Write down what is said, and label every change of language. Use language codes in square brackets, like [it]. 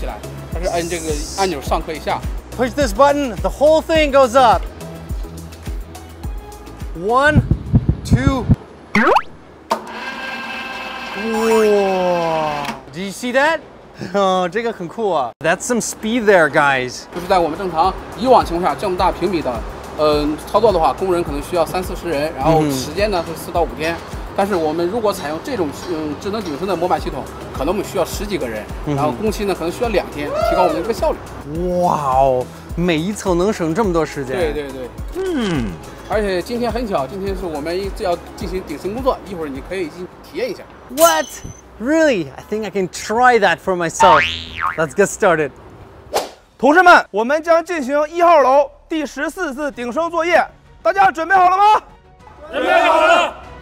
[zh] 模板安装位置。哦。首先，我们把安全带系好呗。我们整个这个模板一个智能顶升的一个装置，就是我们可以靠这个葫芦见证的，是人为控制的。哦。下面的那个模板是吧？可以是吧？它整体提升起来，它是按这个按钮上可以下。 [en] Push this button, the whole thing goes up. One, two. Whoa. Do you see that? Oh, [zh] 这个很酷啊. [en] That's some speed there, guys. [zh] 就是在我们正常以往情况下，这么大平米的操作的话，工人可能需要三四十人，然后时间呢是四到五天。但是我们如果采用这种智能顶升的模板系统，可能我们需要十几个人，然后工期呢可能需要两天，提高我们的一个效率。哇哦，每一层能省这么多时间。对对对。嗯。而且今天很巧，今天是我们要进行顶升工作，一会儿你可以进行体验一下。 [en] What? Really? I think I can try that for myself. Let's get started. [zh] 同志们，我们将进行一号楼第14次顶升作业，大家准备好了吗？准备好了。